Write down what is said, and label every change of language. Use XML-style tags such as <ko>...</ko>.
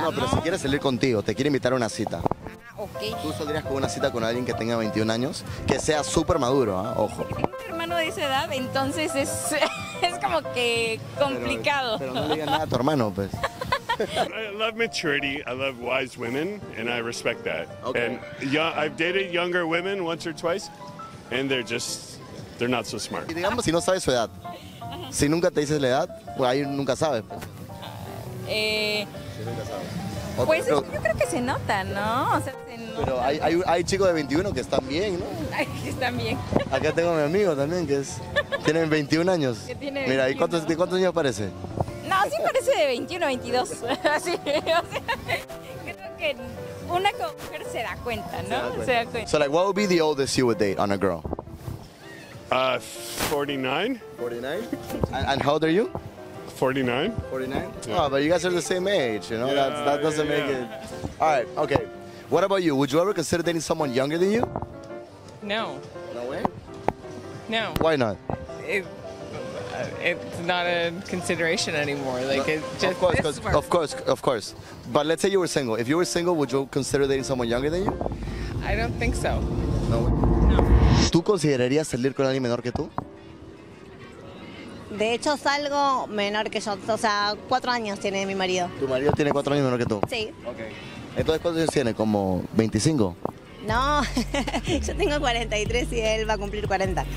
<es>No, pero si quiere salir contigo, te quiere invitar a una cita. Ah, ok. ¿Tú saldrías con una cita con alguien que tenga 21 años? Que sea súper maduro, ¿eh? Ojo. Tengo un hermano de esa edad, entonces es... Es como que complicado. Pero no le digas nada a tu hermano, pues.</es> <en>I love maturity. I love wise women, and I respect that. Okay. And I've dated younger women once or twice, and they're not so smart.</en> <es>Y digamos, si no sabes su edad, si nunca te dices la edad, pues ahí nunca sabes. Pues yo creo que se nota, ¿no? O sea, pero hay chicos de 21 que están bien, ¿no? Ay, que están bien. Acá tengo a mi amigo también, que es... Tienen 21 años. Que tiene 21. Mira, ¿y cuántos años parece? No, sí parece de 21, 22. Así, o sea, creo que una como mujer se da cuenta, ¿no? Se da cuenta.</es> <en>So, like, what would be the oldest you would date on a girl? 49. And how old are you? 49. Yeah. Oh, but you guys are the same age, you know? Yeah, that doesn't make it... All right, okay. What about you? Would you ever consider dating someone younger than you? No. No way? No. Why not? It's not a consideration anymore. Like, it just... Of course. But let's say you were single. If you were single, would you consider dating someone younger than you? I don't think so. No way? No.</en> <es>¿Tú considerarías salir con alguien menor que tú? De hecho, salgo menor que yo. O sea, 4 años tiene mi marido. ¿Tu marido tiene 4 años menor que tú? Sí. Okay. Entonces, ¿cuántos años tiene? ¿Como 25? No, yo tengo 43 y él va a cumplir 40.</es>